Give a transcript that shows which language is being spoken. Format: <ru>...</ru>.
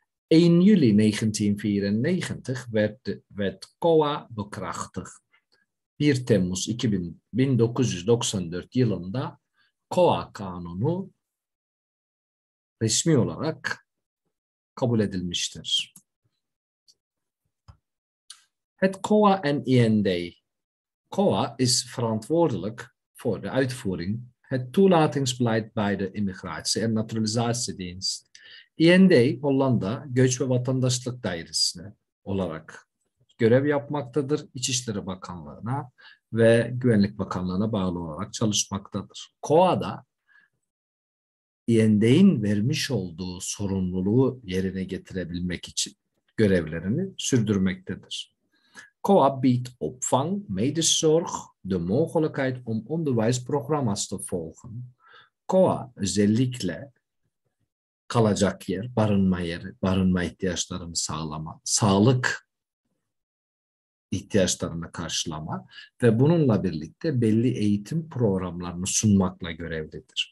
<nl>1 Juli 1994 werd de wet COA bekrachtigd.</nl> <tr>1 Temmuz 1994 yılında COA kanunu resmi olarak kabul edilmiştir.</tr> <nl>Het COA en IND. COA is verantwoordelijk voor de uitvoering het toelatingsbeleid bij de Immigratie- en Naturalisatiedienst.</nl> <tr>IND Hollanda Göç ve Vatandaşlık Dairesi'ne olarak görev yapmaktadır. İçişleri Bakanlığı'na ve Güvenlik Bakanlığı'na bağlı olarak çalışmaktadır. COA'da IND'in vermiş olduğu sorumluluğu yerine getirebilmek için görevlerini sürdürmektedir.</tr> <nl>COA biedt opvang, medezorg, de mogelijkheid om onderwijsprogramma's te volgen.</nl> <tr>COA özellikle kalacak yer, barınma yeri, barınma ihtiyaçlarını sağlama, sağlık ihtiyaçlarını karşılama ve bununla birlikte belli eğitim programlarını sunmakla görevlidir.</tr>